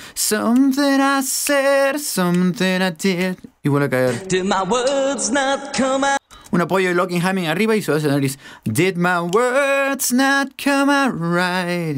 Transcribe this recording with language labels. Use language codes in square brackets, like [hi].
[en] Something I said, something I did. [es] Y vuelve a caer. [en] Did my words not come out? [es] Un apoyo de locking humming arriba y suave la nariz. [en] Did my words not come out right?